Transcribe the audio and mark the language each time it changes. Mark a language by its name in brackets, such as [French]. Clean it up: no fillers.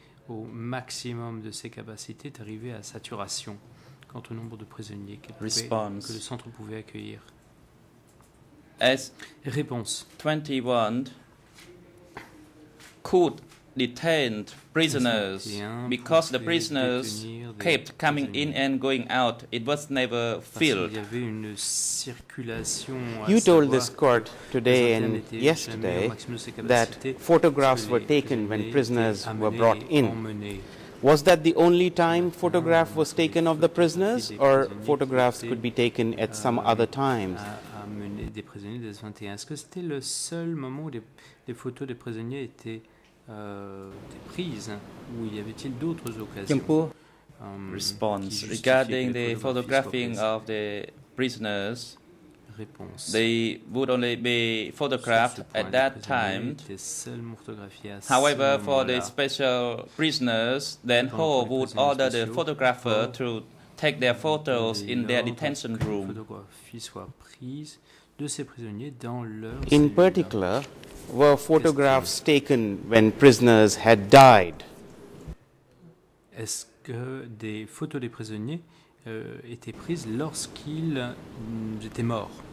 [French] Au maximum de ses capacités d'arriver à saturation quant au nombre de prisonniers que le centre pouvait accueillir. Réponse. [English] 21 could detain prisoners because the prisoners kept coming in and going out. It was never filled. [French] Il y avait une circulation. [English] You told this court today and yesterday that photographs were taken when prisoners were brought in. Was that the only time photograph was taken of the prisoners, or photographs could be taken at some other times? [French] Des prisonniers des 21. Est-ce que c'était le seul moment où les photos des prisonniers étaient ou y avait-il d'autres occasions? [English] Response. Regarding the photographing of the prisoners, [French] réponse. [English] They would only be photographed at that time. However, for the special prisoners, then Ho would order the photographer to take their photos in their detention room. In particular, were photographs taken when prisoners had died? [French] Est-ce que des photos des prisonniers étaient prises lorsqu'ils étaient morts?